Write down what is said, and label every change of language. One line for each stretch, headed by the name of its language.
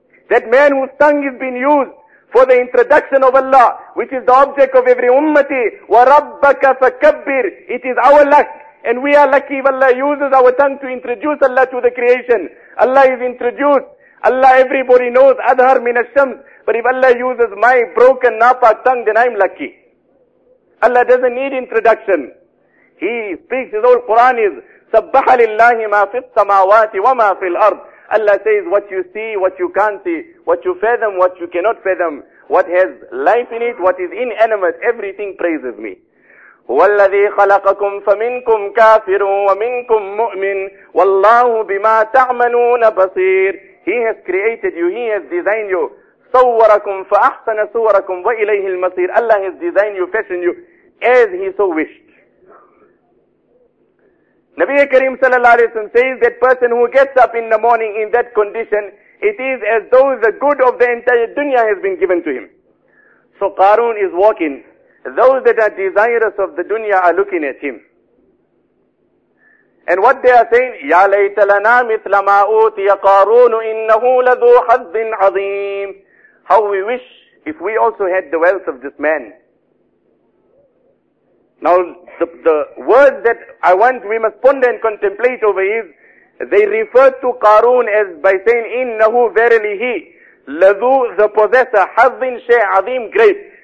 English: That man whose tongue has been used for the introduction of Allah, which is the object of every ummati,
Arabic: وَرَبَّكَ فَكَبِّرْ.
English: It is our luck. And we are lucky if Allah uses our tongue to introduce Allah to the creation. Allah is introduced. Allah, everybody knows,
Arabic: أَذْهَرْ مِنَ الشَّمْسِ.
English: But if Allah uses my broken, napak tongue, then I'm lucky. Allah doesn't need introduction. He speaks, his whole Quran is,
Arabic: سَبَّحَ لِلَّهِ مَا فِي السَّمَاوَاتِ وَمَا فِي الْأَرْضِ.
English: Allah says, what you see, what you can't see, what you fathom, what you cannot fathom, what has life in it, what is inanimate, everything praises me.
Arabic: وَالَّذِي خَلَقَكُمْ فَمِنْكُمْ كَافِرٌ وَمِنْكُمْ مُؤْمِنٌ وَاللَّهُ بِمَا تَعْمَلُونَ بَصِيرٌ.
English: He has created you, he has designed you.
Arabic: صَوَّرَكُمْ فَأَحْسَنَ صُوَرَكُمْ وَإِلَيْهِ الْمَصِيرُ.
English: Allah has designed you, fashioned you, as he so wished. Nabi Karim sallallahu alayhi wa sallam says, that person who gets up in the morning in that condition, it is as though the good of the entire dunya has been given to him. So Qarun is walking. Those that are desirous of the dunya are looking at him. And what they are saying,
Arabic: يَا لَيْتَ لَنَا مِثْلَ مَا أُوْتِيَ قَارُونُ إِنَّهُ لَذُو حَظٍ عَظِيمٍ.
English: How we wish if we also had the wealth of this man. Now, the words that I want we must ponder and contemplate over is, they refer to Qarun as by saying, إِنَّهُ verily he, لَذُو the possessor, حَظٍ شَيْءٍ عَظِيمٍ great.